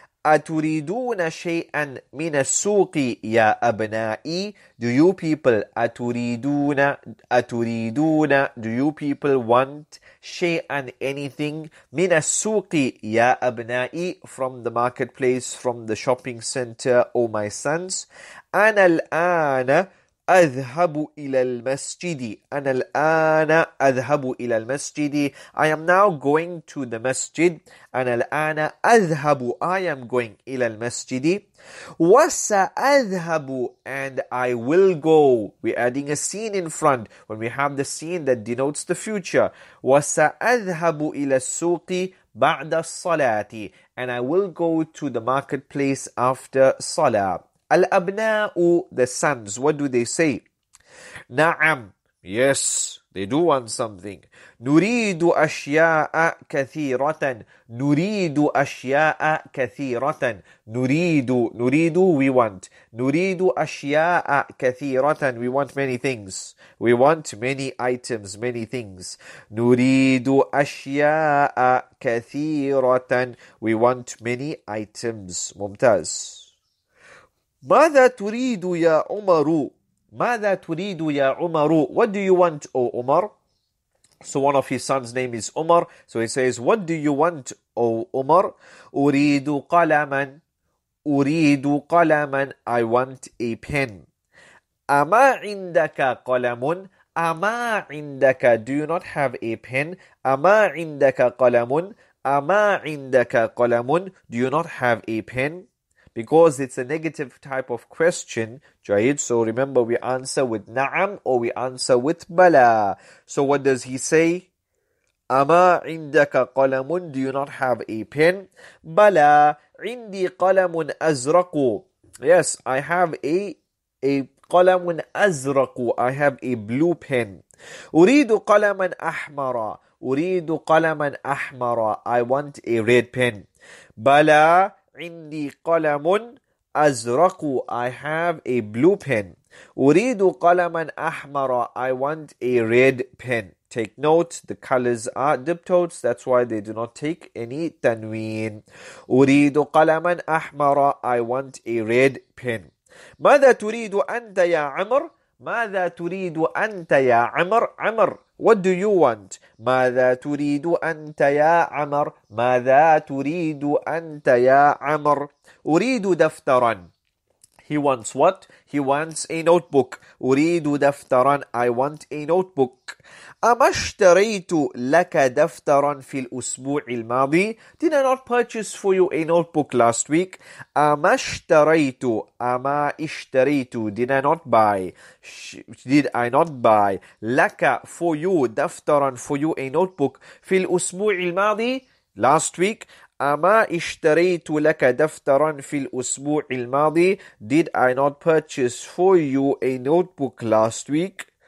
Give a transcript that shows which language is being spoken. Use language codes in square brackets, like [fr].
[ar] أتريدون شيئا من السوق? يا أبنائي, [en] do you people, [ar] أتريدون, [en] do you people want [ar] شيئا, [en] anything, [ar] من السوق? يا أبنائي, [en] from the marketplace, from the shopping center, oh my sons. [ar] أنا الآن أذهب إلى المسجد. أنا الآن أذهب إلى المسجد. [en] I am now going to the masjid. [ar] أنا الآن أذهب. [en] I am going [ar] إلى المسجد. وسأذهب. [en] And I will go. We're adding a scene in front. When we have the scene that denotes the future. [ar] وسأذهب إلى السوق بعد الصلاة. [en] And I will go to the marketplace after salah. [ar] الأبناء, [en] the sons, what do they say? [ar] نعم, [en] yes, they do want something. [ar] نريد أشياء كثيرة. نريد أشياء كثيرة. نريد, [en] we want. [ar] نريد أشياء كثيرة. [en] We want many things. We want many items, many things. [ar] نريد أشياء كثيرة. [en] We want many items. [ar] ممتاز. ماذا تريد يا عمر؟ ماذا تريد يا عمر؟ [en] What do you want, O Umar? So one of his son's name is Umar. So he says, what do you want, O Umar? [ar] أريد قلما. أريد قلما. [en] I want a pen. [ar] أما عندك قلم؟ أما عندك. [en] Do you not have a pen? [ar] أما عندك قلم؟ أما عندك قلم؟ [en] Do you not have a pen? Because it's a negative type of question, Jayid. So remember, we answer with na'am or we answer with bala. So what does he say? [ar] Ama indaka qalamun, [en] do you not have a pen? [ar] Bala, indi qalamun azraqu. [en] Yes, I have a [ar] qalamun azraqu. [en] I have a blue pen. [ar] Uridu qalaman ahmara. Uridu qalaman ahmara. [en] I want a red pen. [ar] Bala. عندي قلم أزرق. [en] I have a blue pen. [ar] أريد قلما أحمر. [en] I want a red pen. Take note, the colors are diptotes. That's why they do not take any تنوين. [ar] أريد قلما أحمر. [en] I want a red pen. [ar] ماذا تريد أنت يا عمر؟ ماذا تريد أنت يا عمر؟ عمر, [en] what do you want? [ar] ماذا تريد أنت يا عمر؟ ماذا تريد أنت يا عمر؟ أريد دفترا. [en] He wants what? He wants a notebook. [ar] أريد دفترا. [en] I want a notebook. [ar] أما اشتريت لك دفترا في الأسبوع الماضي؟ [en] Did I not purchase for you a notebook last week? [ar] أما اشتريت. أما اشتريت. [en] Did I not buy? Did I not buy [ar] لك, [en] for you, [ar] دفترا, [en] for you, a notebook [ar] في الأسبوع الماضي, [en] last week? [ar] أما اشتريت لك دفترا في الأسبوع الماضي? [en] Did I not purchase for you a notebook last week?